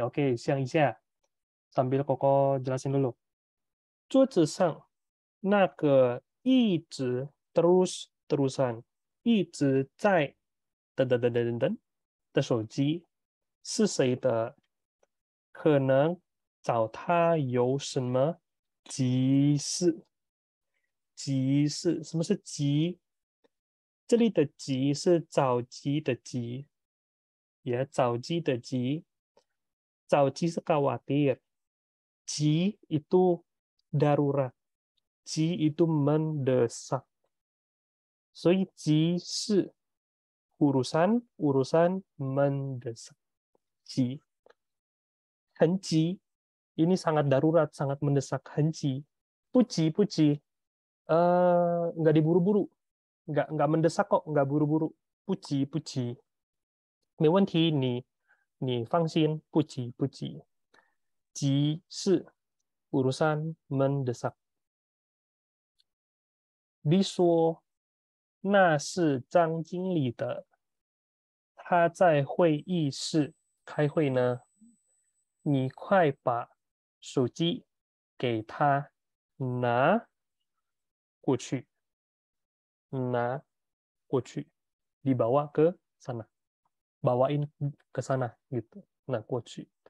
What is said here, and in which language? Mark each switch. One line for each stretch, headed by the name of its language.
Indonesian: OK，
Chinese: 想一下，
Indonesian: sambil koko jelasin dulu。
Chinese: 桌子上那个一直
Indonesian: terus terusan
Chinese: 一直在等的手机是谁的？可能找他有什么急事？急事，什么是急？这里的急是着急的急，也着急的急。
Indonesian: 着急是 khawatir， 急 itu darurat， 急 itu mendesak。
Chinese: 所以急事
Indonesian: urusan mendesak，
Chinese: 急。
Indonesian: 很急， ini sangat darurat, sangat mendesak, 很急。不急，enggak diburu-buru, enggak mendesak kok, enggak buru-buru, 不急。
Chinese: 没问题，你放心，不急。急是
Indonesian: urusan mendesak。
Chinese: B 说，那是张经理的，他在会议室开会呢。你快把手机给他拿过去，拿过去 ，
Indonesian: dibawa ke sana， bawain ke sana， gitu，
Chinese: 拿过去。